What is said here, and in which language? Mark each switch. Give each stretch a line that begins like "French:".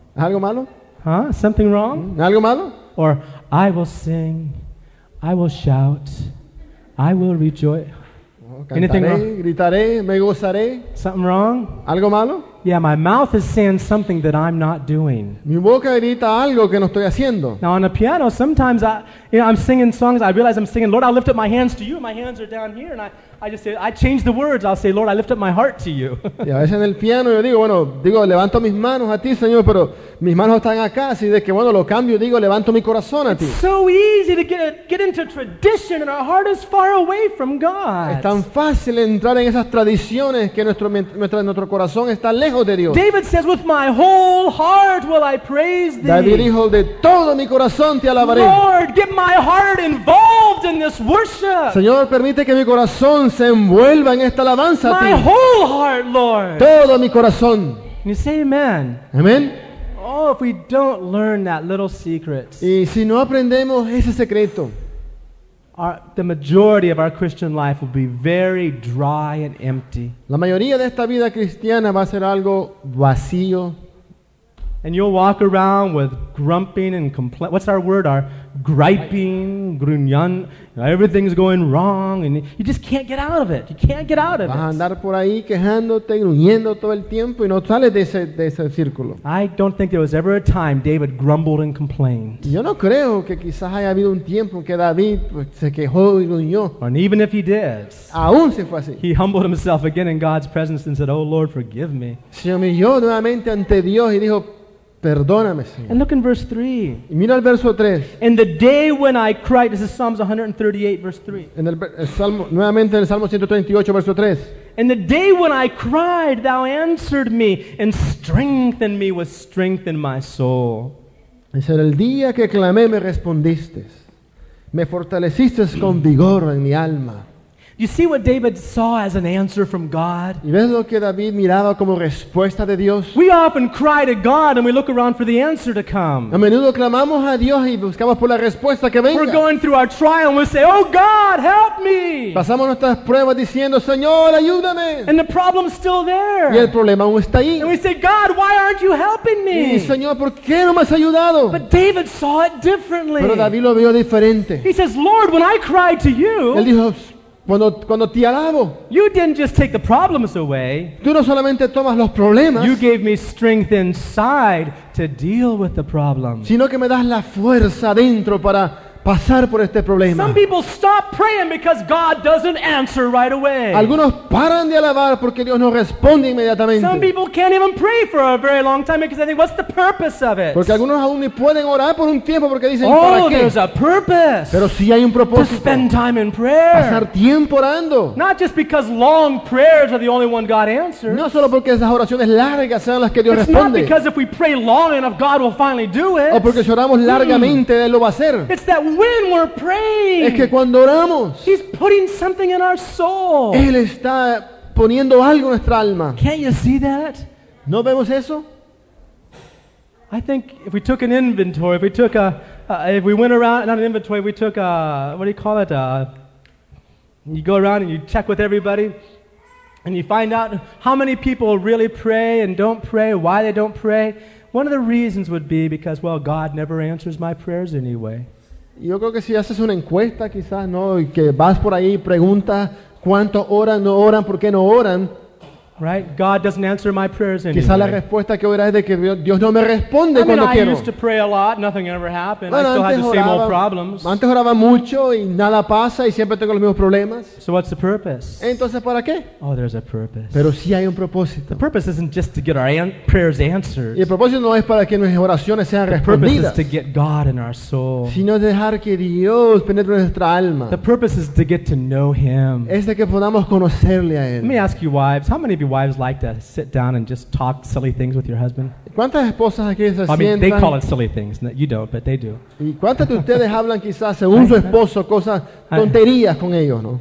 Spanish: ¿Algo malo?
English: Huh? Something wrong?
Spanish: ¿Algo malo?
English: Or, I will sing, I will shout, I will rejoice. Oh,
Spanish: cantaré,
English: anything wrong?
Spanish: Gritaré, me gozaré.
English: Something wrong?
Spanish: ¿Algo malo?
English: Yeah, my mouth is saying something that I'm not doing.
Spanish: Mi boca grita algo que no estoy haciendo.
English: Now on the piano, sometimes I'm singing songs, I realize I'm singing, Lord, I lift up my hands to you, my hands are down here, and I change the words. I'll say, Lord, I lift up my heart to you.
Spanish: Y a veces en el piano yo digo, bueno, digo, levanto mis manos a ti, Señor, pero mis manos están acá, así de que bueno, lo cambio, digo, levanto mi corazón a ti.
English: It's so easy to get into tradition and our heart is far away from God.
Spanish: Es tan fácil entrar en esas tradiciones que nuestro corazón está lejos de Dios.
English: David says, with my whole heart will I praise thee.
Spanish: David dijo, de todo mi corazón te alabaré.
English: Lord, get my heart involved in this worship.
Spanish: Señor, permite que mi corazón se envuelva en esta alabanza a ti.
English: My whole heart, Lord.
Spanish: Todo mi corazón.
English: Can you say amen? Amen. Oh, if we don't learn that little secret.
Spanish: Y si no aprendemos ese secreto,
English: the majority of our Christian life will be very dry and empty.
Spanish: La mayoría de esta vida cristiana va a ser algo vacío.
English: And you'll walk around with grumping and complaining. What's our word? Our griping,
Spanish: gruñón.
English: Everything's going wrong, and you just can't get out of it. You can't get out of it.
Spanish: Vas a andar por ahí quejándote, gruñendo todo el tiempo, y no sales de ese círculo.
English: I don't think there was ever a time David grumbled and complained.
Spanish: Yo no creo que quizás haya habido un tiempo que David se quejó y gruñó.
English: And even if he did,
Spanish: aún si fue así,
English: he humbled himself again in God's presence and said, "Oh Lord, forgive me."
Spanish: Se humilló nuevamente ante Dios y dijo, perdóname, Señor.
English: And look in verse 3.
Spanish: Y mira el verso 3.
English: In the day when I cried, this is Psalms 138, verse 3.
Spanish: Nuevamente en el Salmo 138, verso 3.
English: In the day when I cried, thou answered me, and strengthened me with strength in my soul.
Spanish: Es el día que clamé, me respondiste. Me fortaleciste con vigor en mi alma.
English: You see what David saw as an answer from God?
Spanish: ¿Y ves lo que David miraba como respuesta de Dios?
English: We often cry to God and we look around for the answer to come.
Spanish: A menudo clamamos a Dios y buscamos por la respuesta que venga.
English: We're going through our trial and we say, "Oh God, help me."
Spanish: Pasamos nuestras pruebas diciendo, "Señor, ayúdame."
English: And the problem's still there.
Spanish: Y el problema aún está ahí.
English: And we say, "God, why aren't you helping me?"
Spanish: Y, "Señor, ¿por qué no me has ayudado?"
English: But David saw it differently.
Spanish: Pero David lo vio diferente.
English: He says, "Lord, when I cry to you,"
Spanish: él dijo, Cuando te alabo,
English: "you didn't just take the problems away.
Spanish: Tú no solamente tomas los problemas,
English: you gave me strength inside to deal with the problem.
Spanish: Sino que me das la fuerza dentro para pasar por este problema."
English: Some people stop praying because God doesn't answer right away.
Spanish: Algunos paran de alabar porque Dios no responde inmediatamente.
English: Some people can't even pray for a very long time because they think, "what's the purpose of it?"
Spanish: Porque algunos aún ni pueden orar por un tiempo porque dicen, "oh, ¿para qué?"
English: There's a purpose.
Spanish: Pero sí hay un propósito.
English: To spend time in prayer.
Spanish: Pasar tiempo orando.
English: Not just because long prayers are the only one God answers.
Spanish: No solo porque esas oraciones largas sean las que Dios responde.
English: It's not because if we pray long enough, God will finally do it.
Spanish: O porque si oramos largamente, Él lo va a hacer.
English: It's that when we're praying,
Spanish: es que cuando oramos,
English: He's putting something in our soul.
Spanish: Él está poniendo algo en nuestra alma.
English: Can't you see that?
Spanish: ¿No vemos eso?
English: I think if we took an inventory, if we took a, if we went around, not an inventory, if we took a, what do you call it? You go around and you check with everybody, and you find out how many people really pray and don't pray, why they don't pray. One of the reasons would be because, well, God never answers my prayers anyway.
Spanish: Yo creo que si haces una encuesta quizás, ¿no? Y que vas por ahí y preguntas cuánto oran, no oran, por qué no oran.
English: Right? God doesn't answer my prayers anyway.
Spanish: Quizás la respuesta que oirás es de que Dios no me responde cuando quiero.
English: I mean, I used to pray a lot, nothing ever happened. Bueno, I still had the same old problems.
Spanish: Antes oraba mucho y nada pasa y siempre tengo los mismos problemas.
English: So what's the purpose?
Spanish: Entonces, ¿para qué?
English: Oh, there's a purpose.
Spanish: Pero sí hay un propósito.
English: The purpose isn't just to get our prayers answered.
Spanish: Y el propósito no es para que nuestras oraciones sean respondidas.
English: The purpose is to get God in our soul.
Spanish: Sino dejar que Dios penetre en nuestra alma.
English: The purpose is to get to know Him.
Spanish: Es de que podamos conocerle a Él.
English: Let me ask you, wives, how many of you wives like to sit down and just talk silly things with your husband?
Spanish: ¿Cuántas esposas aquí se sientan?
English: I mean, they call it silly things. You don't, but they do.
Spanish: ¿Y cuántas de ustedes hablan quizás según su esposo cosas tonterías con ellos, no?